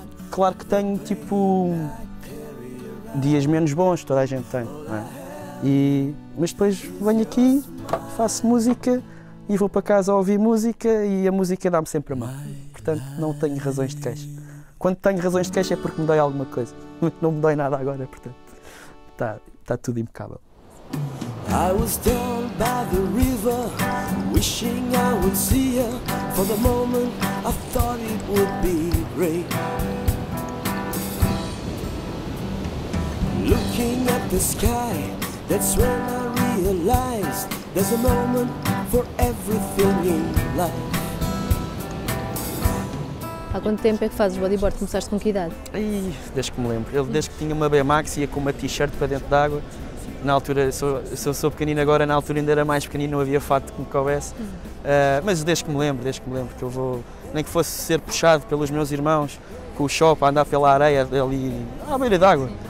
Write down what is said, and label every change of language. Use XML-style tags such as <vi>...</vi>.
<pt>Claro que tenho, tipo, dias menos bons, toda a gente tem, não é? Mas depois venho aqui, faço música e vou para casa ouvir música e a música dá-me sempre a mão. Portanto, não tenho razões de queixa. Quando tenho razões de queixa é porque me dói alguma coisa. Não me dói nada agora, portanto, está tudo impecável.</pt> <en>I was down by the river, wishing I would see her. For the moment I thought it would be rain. Looking at the sky, that's when I realized there's a moment for everything in life.</en> <pt>Há quanto tempo é que fazes bodyboard? Começaste com que idade? Desde que me lembro. Desde que tinha uma BMX e ia com uma t-shirt para dentro d'água. Na altura, sou pequenino agora, na altura ainda era mais pequenino, não havia fato que me coubesse. Mas desde que me lembro, que eu vou, nem que fosse ser puxado pelos meus irmãos com o chope a andar pela areia ali à beira d'água.</pt>